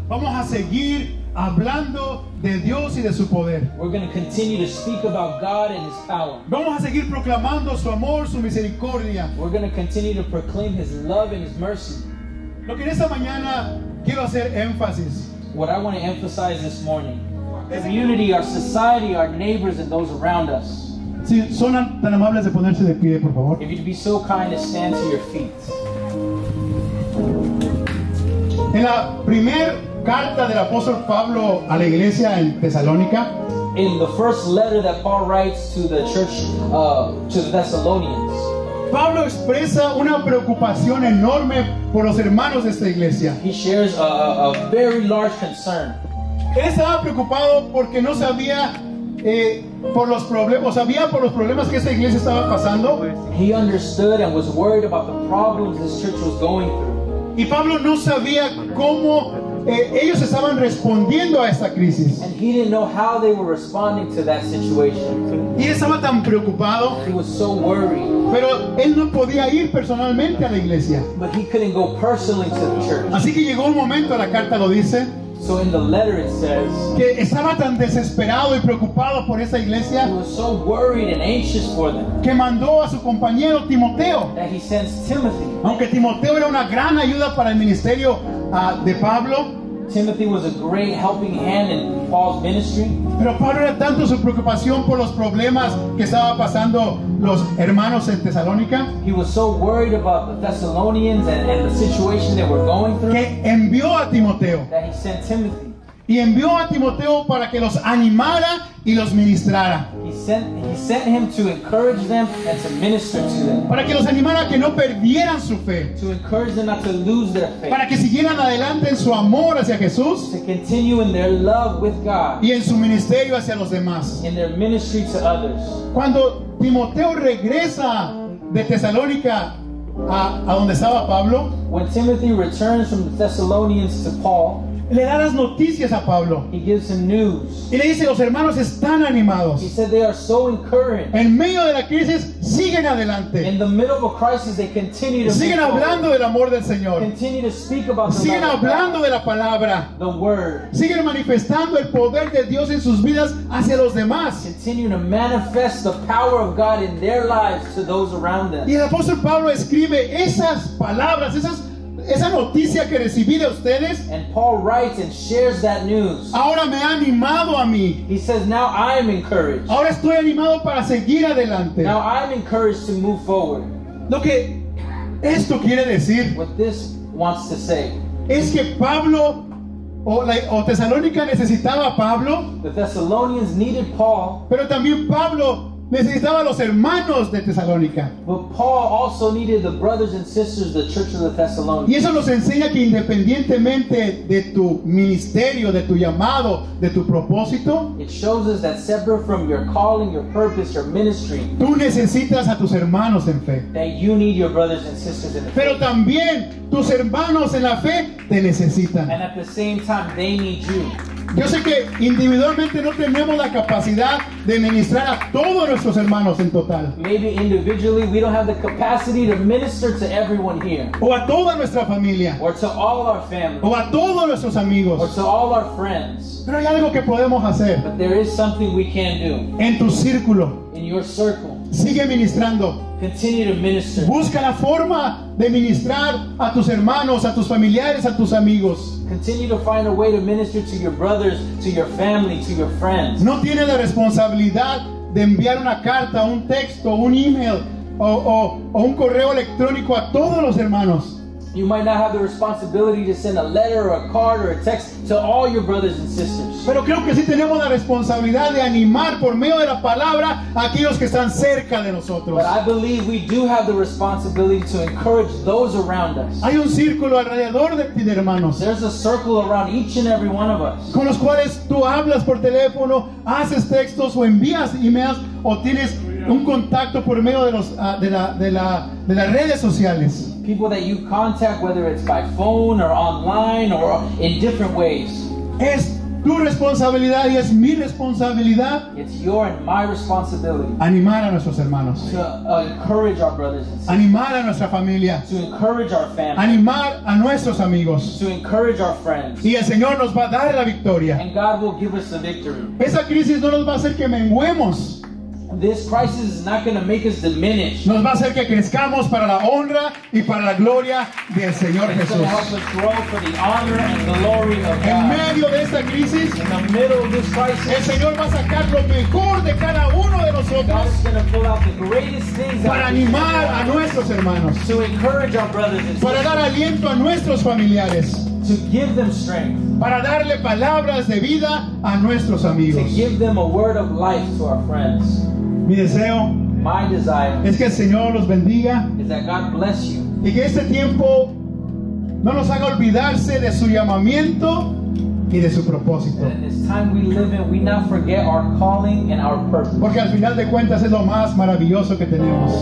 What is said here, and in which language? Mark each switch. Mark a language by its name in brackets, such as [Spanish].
[Spanish] Vamos a seguir hablando de Dios y de su poder. [English] We're going to continue to speak about God and his power. [Spanish] Vamos a seguir proclamando su amor, su misericordia. [English] We're going to continue to proclaim his love and his mercy. [Spanish] Lo que en esta mañana quiero hacer énfasis, [English] what I want to emphasize this morning, community, our society, our neighbors and those around us. [Spanish] Si son tan amables de ponerse de pie, por favor. [English] If you'd be so kind to stand to your feet. [Spanish] En la primera carta del apóstol Pablo a la iglesia en Tesalónica, [English] in the first letter that Paul writes to the church to the Thessalonians, [Spanish] Pablo expresa una preocupación enorme por los hermanos de esta iglesia. [English] He shares a very large concern. [Spanish] Él estaba preocupado porque no sabía por los problemas, sabía por los problemas que esta iglesia estaba pasando. [English] He understood and was worried about the problems this church was going through. [Spanish] Y Pablo no sabía cómo ellos estaban respondiendo a esta crisis. [English] And he didn't know how they were responding to that situation. [Spanish] Y él estaba tan preocupado. [English] He was so worried. [Spanish] Pero él no podía ir personalmente a la iglesia. [English] But he couldn't go personally to the church. [Spanish] Así que llegó un momento, la carta lo dice. [English] So in the letter it says, [Spanish] que estaba tan desesperado y preocupado por esa iglesia, [English] he was so worried and anxious for them, [Spanish] que mandó a su compañero Timoteo, [English] that he sends Timothy. [Spanish] Aunque Timoteo era una gran ayuda para el ministerio de Pablo, [English] Timothy was a great helping hand in Paul's ministry. [Spanish] Pero Pablo era tanto su preocupación por los problemas que estaba pasando los hermanos en Tesalónica. [English] He was so worried about the Thessalonians and the situation they were going through. [Spanish] Que envió a Timoteo. [English] That he sent Timothy. [Spanish] Y envió a Timoteo para que los animara y los ministrara. [English] He sent him to encourage them and to minister to them. [Spanish] Para que los animara a que no perdieran su fe. [English] To encourage them not to lose their faith. [Spanish] Para que siguieran adelante en su amor hacia Jesús. [English] To continue in their love with God. [Spanish] Y en su ministerio hacia los demás. [English] In their ministry to others. [Spanish] Cuando Timoteo regresa de Tesalónica a donde estaba Pablo, [English] when Timothy returns from the Thessalonians to Paul, [Spanish] le da las noticias a Pablo. [English] He gives him news. [Spanish] Y le dice, los hermanos están animados. [English] He said they are so encouraged. [Spanish] En medio de la crisis, siguen adelante. [English] In the middle of a crisis, they continue to [Spanish] siguen hablando [English] forward. [Spanish] Del amor del Señor. [English] Continue to speak about the [Spanish] siguen [English] matter. [Spanish] Hablando de la palabra. [English] The word. [Spanish] Siguen manifestando el poder de Dios en sus vidas hacia los demás. [English] Continue to manifest the power of God in their lives to those around them. [Spanish] Y el apóstol Pablo escribe esas palabras, esas esa noticia que recibí de ustedes. [English] And Paul writes and shares that news. [Spanish] Ahora me ha animado a mí. [English] He says, now I am encouraged. [Spanish] Ahora estoy animado para seguir adelante. [English] Now I'm encouraged to move forward. [Spanish] Lo que esto quiere decir, [English] what this wants to say, [Spanish] es que Pablo o Tesalónica necesitaba a Pablo. [English] The Thessalonians needed Paul. [Spanish] Pero también Pablo necesitaba a los hermanos de Tesalónica. [English] But Paul also needed the brothers and sisters, the church of the Thessalonians. [Spanish] Y eso nos enseña que independientemente de tu ministerio, de tu llamado, de tu propósito, [English] it shows us that separate from your calling, your purpose, your ministry, [Spanish] tú necesitas a tus hermanos en fe. [English] That you need your brothers and sisters in the [Spanish] Pero [English] faith. [Spanish] También tus hermanos en la fe te necesitan. [English] And at the same time, they need you. [Spanish] Yo sé que individualmente no tenemos la capacidad de ministrar a todos nuestros hermanos en total. [English] Maybe individually we don't have the capacity to minister to everyone here. [Spanish] O a toda nuestra familia. [English] Or to all our family. [Spanish] O a todos nuestros amigos. [English] Or to all our friends. [Spanish] Pero hay algo que podemos hacer. [English] But there is something we can do. [Spanish] En tu círculo. [English] In your circle. [Spanish] Sigue ministrando. [English] Continue to minister. [Spanish] Busca la forma de ministrar a tus hermanos, a tus familiares, a tus amigos. [English] Continue to find a way to minister to your brothers, to your family, to your friends. [Spanish] No tiene la responsabilidad de enviar una carta, un texto, un email o un correo electrónico a todos los hermanos. [English] You might not have the responsibility to send a letter or a card or a text to all your brothers and sisters. [Spanish] Pero creo que sí tenemos la responsabilidad de animar por medio de la palabra a aquellos que están cerca de nosotros. [English] But I believe we do have the responsibility to encourage those around us. [Spanish] Hay un círculo alrededor de ti, hermanos. [English] There's a circle around each and every one of us. [Spanish] Con los cuales tú hablas por teléfono, haces textos o envías emails o tienes un contacto por medio de los de las redes sociales. [English] People that you contact, whether it's by phone or online or in different ways. [Spanish] Es tu responsabilidad y es mi responsabilidad. [English] It's your and my responsibility. [Spanish] Animar a nuestros hermanos. [English] To encourage our brothers and sisters. [Spanish] Animar a nuestra familia. [English] To encourage our family. [Spanish] Animar a nuestros amigos. [English] To encourage our friends. [Spanish] Y el Señor nos va a dar la victoria. [English] And God will give us the victory. [Spanish] Esa crisis no nos va a hacer que menguemos. [English] This crisis is not going to make us diminish. [Spanish] Nos va a hacer que crezcamos para la honra y para la gloria del Señor Jesús. [English] It's going to help us grow for the honor and the glory of God. [Spanish] En medio de esta crisis, [English] in the middle of this crisis, [Spanish] el Señor va a sacar lo mejor de cada uno de nosotros. [English] God's going to pull out the greatest things [Spanish] para animar a nuestros hermanos. [English] To encourage our brothers and sisters. [Spanish] Para dar aliento a nuestros familiares. [English] To give them strength. [Spanish] Para darle palabras de vida a nuestros amigos. [English] To give them a word of life to our friends. [Spanish] Mi deseo, [English] my desire, [Spanish] es que el Señor los bendiga, [English] is that God bless you, [Spanish] y que este tiempo no nos haga olvidarse de su llamamiento y de su propósito. Porque al final de cuentas es lo más maravilloso que tenemos.